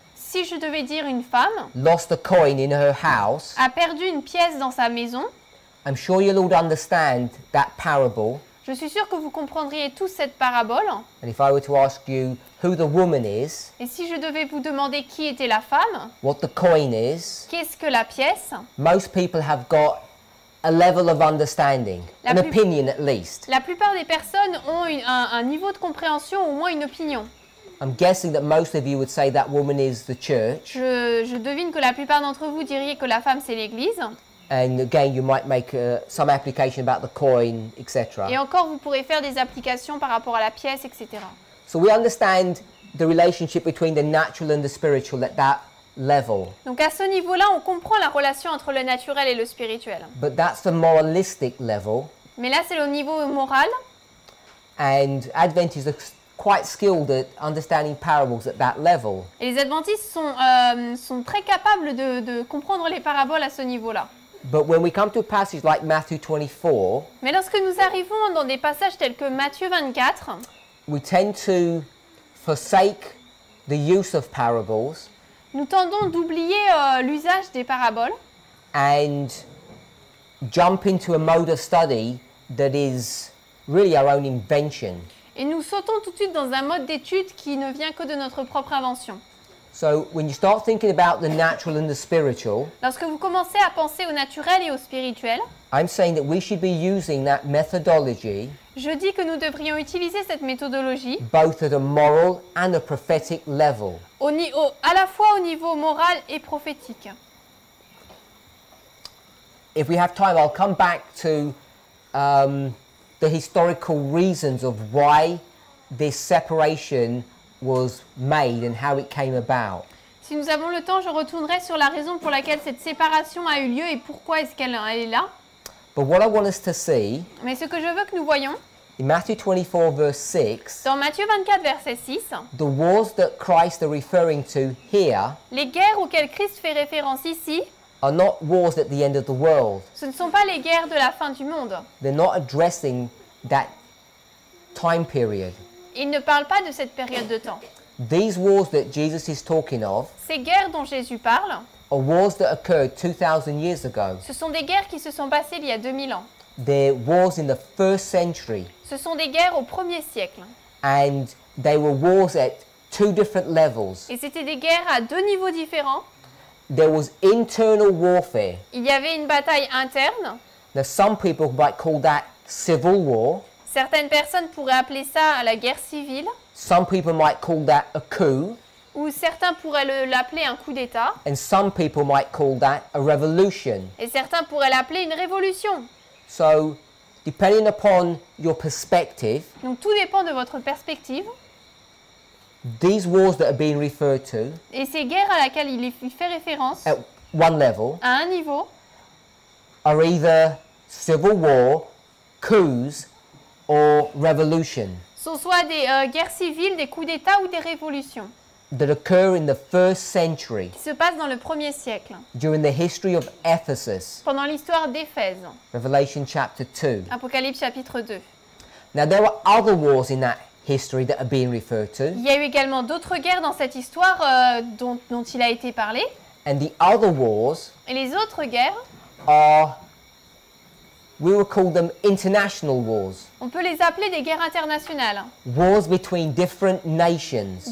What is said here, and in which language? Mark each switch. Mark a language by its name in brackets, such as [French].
[French] Si je devais dire une femme [English] lost a coin in her house, [French] a perdu une pièce dans sa maison, [English] I'm sure you'll all understand that parable. [French] Je suis sûr que vous comprendriez tous cette parabole. [English] And if I were to ask you who the woman is, [French] et si je devais vous demander qui était la femme, [English] what the coin is, [French] qu'est-ce que la pièce, [English] most people have got a level of understanding, an opinion at least. [French] La plupart des personnes ont un niveau de compréhension, au moins une opinion. [English] I'm guessing that most of you would say that woman is the church. [French] Je devine que la plupart d'entre vous diriez que la femme c'est l'église. [English] And again, you might make some application about the coin, etc. [French] Et encore, vous pourrez faire des applications par rapport à la pièce, etc. [English] So we understand the relationship between the natural and the spiritual at that level. [French] Donc à ce niveau-là, on comprend la relation entre le naturel et le spirituel. [English] But that's the moralistic level. [French] Mais là, c'est le niveau moral. [English] And Adventists are quite skilled at understanding parables at that level. [French] Et les Adventistes sont très capables de comprendre les paraboles à ce niveau-là. [English] But when we come to a passage like Matthew 24, [French] mais lorsque nous arrivons dans des passages tels que Matthieu 24, [English] we tend to forsake the use of parables. [French] Nous tendons d'oublier l'usage des paraboles. [English] And jump into a mode of study that is really our own invention. [French] Et nous sautons tout de suite dans un mode d'étude qui ne vient que de notre propre invention. [English] So when you start thinking about the natural and the spiritual, [French] lorsque vous commencez à penser au naturel et au spirituel, [English] I'm saying that we should be using that methodology. [French] Je dis que nous devrions utiliser cette méthodologie, [English] both at a moral and a prophetic level. [French] À la fois au niveau moral et prophétique. [English] If we have time, I'll come back to the historical reasons of why this separation was made and how it came about. [French] Si nous avons le temps, je retournerai sur la raison pour laquelle cette séparation a eu lieu et pourquoi est-ce qu'elle est là. [English] But what I want us to see, [French] mais ce que je veux que nous voyons, [English] in Matthew 24, verse 6, [French] dans Matthieu 24, verset 6, [English] the wars that Christ is referring to here, [French] les guerres auxquelles Christ fait référence ici, [English] are not wars at the end of the world. [French] Ce ne sont pas les guerres de la fin du monde. [English] They're not addressing that time period. [French] Ils ne parlent pas de cette période de temps. [English] These wars that Jesus is talking of, [French] ces guerres dont Jésus parle, [English] are wars that occurred 2000 years ago. [French] Ce sont des guerres qui se sont passées il y a 2000 ans. [English] They're wars in the first century. [French] Ce sont des guerres au premier siècle. [English] And they were wars at two different levels. [French] Et c'était des guerres à deux niveaux différents. [English] There was internal warfare. [French] Il y avait une bataille interne. [English] Now some people might call that civil war. [French] Certaines personnes pourraient appeler ça la guerre civile. [English] Some people might call that a coup. [French] Ou certains pourraient l'appeler un coup d'État. [English] And some people might call that a revolution. [French] Et certains pourraient l'appeler une révolution. [English] So, depending upon your perspective. [French] Donc tout dépend de votre perspective. [English] These wars that are being referred to. [French] Et ces guerres à laquelle il fait référence. [English] At one level. [French] À un niveau. [English] Are either civil war, coups, or revolution. [French] Ce soit des guerres civiles, des coups d'État ou des révolutions. [English] That occur in the first century. [French] Qui se passe dans le premier siècle. [English] During the history of Ephesus. [French] Pendant l'histoire d'Éphèse. [English] Revelation chapter 2. [French] Apocalypse chapitre 2. [English] Now there were other wars in that history that are being referred to. [French] Il y a eu également d'autres guerres dans cette histoire dont il a été parlé. [English] And the other wars. [French] Et les autres guerres. [English] Are. We will call them international wars. [French] On peut les appeler des guerres internationales. [English] Wars between different nations.